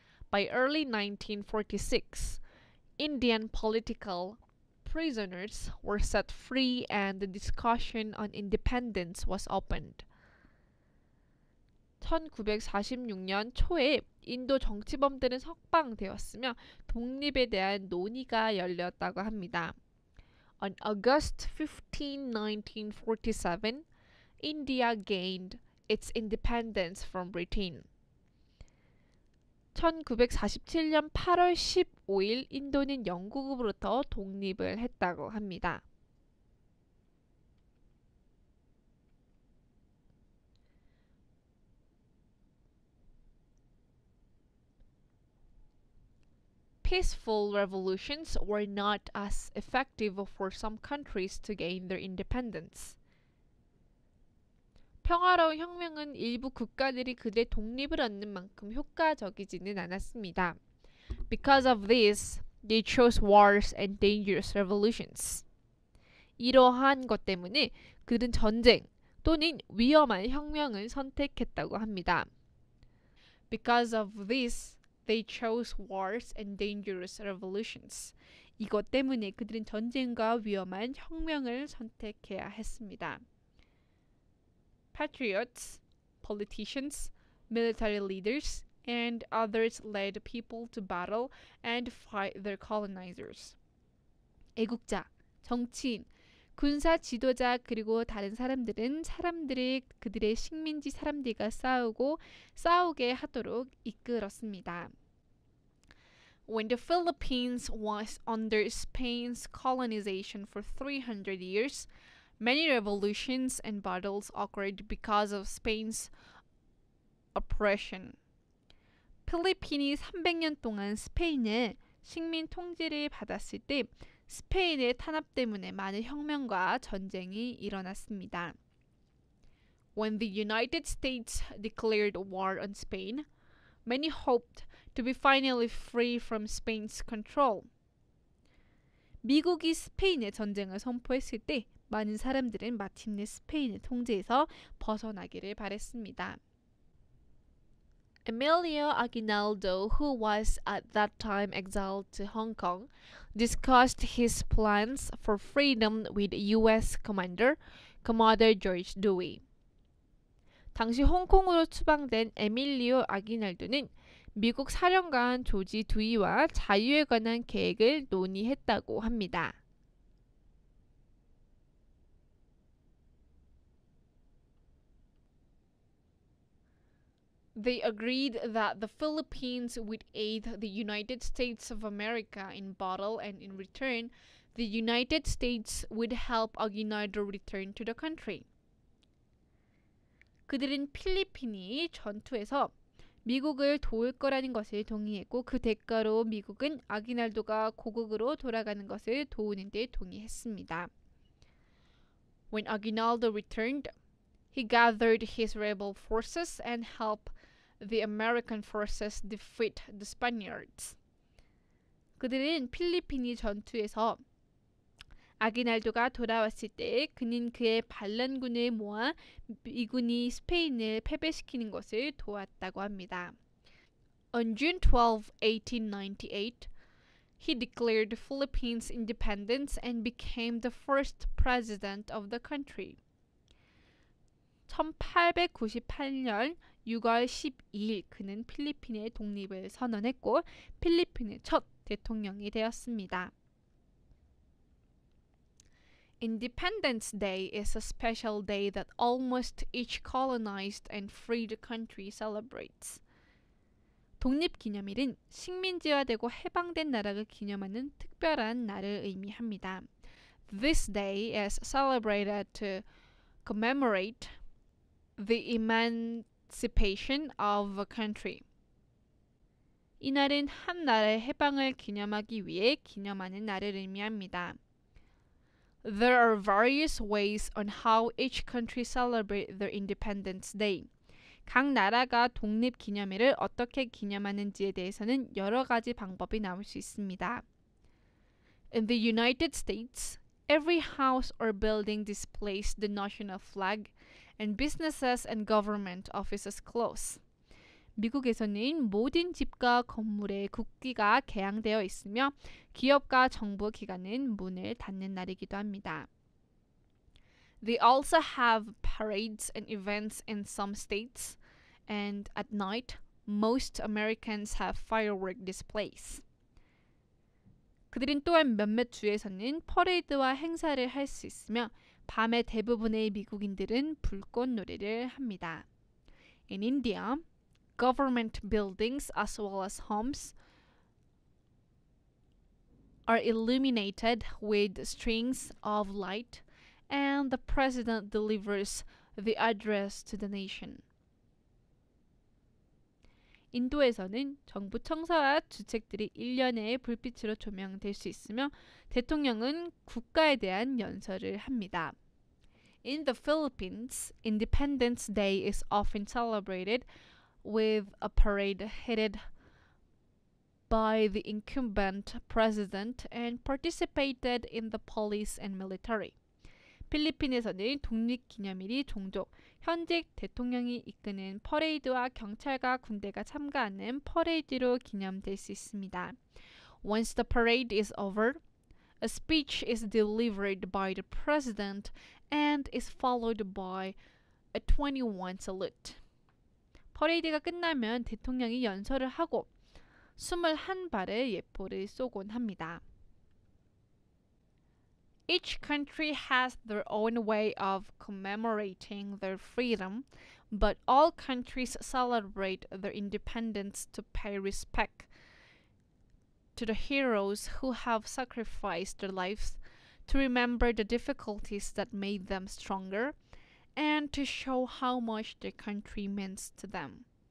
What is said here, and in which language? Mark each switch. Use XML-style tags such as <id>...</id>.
<en>By early 1946, Indian political prisoners were set free and the discussion on independence was opened.</en> <ko>1946년 초에 인도 정치범들은 석방되었으며 독립에 대한 논의가 열렸다고 합니다.</ko> <en>On August 15, 1947, India gained its independence from Britain.</en> <ko>1947년 8월 15일 인도는 영국으로부터 독립을 했다고 합니다.</ko> <en>'Peaceful revolutions were not as effective for some countries to gain their independence.'</en> <ko>평화로운 혁명은 일부 국가들이 그들의 독립을 얻는 만큼 효과적이지는 않았습니다.</ko> <en>Because of this, they chose wars and dangerous revolutions.</en> <ko>이러한 것 때문에 그들은 전쟁 또는 위험한 혁명을 선택했다고 합니다.</ko> <en>Because of this, they chose wars and dangerous revolutions.</en> <ko>이것 때문에 그들은 전쟁과 위험한 혁명을 선택해야 했습니다.</ko> <en>Patriots, politicians, military leaders, and others led people to battle and fight their colonizers.</en> <ko>애국자, 정치인, 군사 지도자 그리고 다른 사람들은 사람들이 그들의 식민지 사람들과 싸우게 하도록 이끌었습니다.</ko> <en>When the Philippines was under Spain's colonization for 300 years, many revolutions and battles occurred because of Spain's oppression.</en> <ko>필리핀이 300년 동안 스페인의 식민 통제를 받았을 때 스페인의 탄압 때문에 많은 혁명과 전쟁이 일어났습니다.</ko> <en>When the United States declared war on Spain, many hoped to be finally free from Spain's control.</en> <ko>미국이 스페인에 전쟁을 선포했을 때 많은 사람들은 마침내 스페인의 통제에서 벗어나기를 바랬습니다.</ko> <en>Emilio Aguinaldo, who was at that time exiled to Hong Kong, discussed his plans for freedom with U.S. Commander George Dewey.</en> <ko>당시 홍콩으로 추방된 에밀리오 아기날도는 미국 사령관 조지 두이와 자유에 관한 계획을 논의했다고 합니다.</ko> <en>They agreed that the Philippines would aid the United States of America in battle and in return, the United States would help Aguinaldo return to the country.</en> <ko>그들은 필리핀이 전투에서 미국을 도울 거라는 것을 동의했고 그 대가로 미국은 아기날도가 고국으로 돌아가는 것을 도우는 데 동의했습니다.</ko> <en>When Aguinaldo returned, he gathered his rebel forces and helped the American forces defeat the Spaniards.</en> <ko>그들은 필리핀이 전투에서 아기날도가 돌아왔을 때 그는 그의 반란군을 모아 미군이 스페인을 패배시키는 것을 도왔다고 합니다.</ko> <en>On June 12, 1898, he declared Philippines independence and became the first president of the country.</en> <ko>1898년 6월 12일 그는 필리핀의 독립을 선언했고 필리핀의 첫 대통령이 되었습니다.</ko> <en>Independence Day is a special day that almost each colonized and freed country celebrates.</en> <ko>독립기념일은 식민지화되고 해방된 나라가 기념하는 특별한 날을 의미합니다.</ko> <en>This day is celebrated to commemorate the emancipation of a country.</en> <ko>이날은 한 나라의 해방을 기념하기 위해 기념하는 날을 의미합니다.</ko> <en>There are various ways on how each country celebrates their Independence Day.</en> <ko>각 나라가 독립기념일을 어떻게 기념하는지에 대해서는 여러 가지 방법이 나올 수 있습니다.</ko> <en>In the United States, every house or building displays the national flag, and businesses and government offices close.</en> <ko>미국에서는 모든 집과 건물에 국기가 개양되어 있으며 기업과 정부 기관은 문을 닫는 날이기도 합니다.</ko> <en>They also have parades and events in some states, and at night, most Americans have firework displays.</en> <ko>그들은 또한 몇몇 주에서는 퍼레이드와 행사를 할 수 있으며 밤에 대부분의 미국인들은 불꽃 놀이를 합니다.</ko> <en>In India, government buildings as well as homes are illuminated with strings of light and the president delivers the address to the nation.</en> <ko>인도에서는 정부청사와 주택들이 1년에 불빛으로 조명될 수 있으며 대통령은 국가에 대한 연설을 합니다.</ko> <en>In the Philippines, Independence Day is often celebrated with a parade headed by the incumbent president and participated in the police and military.</en> <ko>필리핀에서는 독립기념일이 종종 현직 대통령이 이끄는 퍼레이드와 경찰과 군대가 참가하는 퍼레이드로 기념될 수 있습니다.</ko> <en>Once the parade is over, a speech is delivered by the president and is followed by a 21 salute.</en> <ko>퍼레이드가 끝나면 대통령이 연설을 하고 21발의 예포를 쏘곤 합니다.</ko> <en>Each country has their own way of commemorating their freedom, but all countries celebrate their independence to pay respect to the heroes who have sacrificed their lives, to remember the difficulties that made them stronger, and to show how much their country means to them.</en>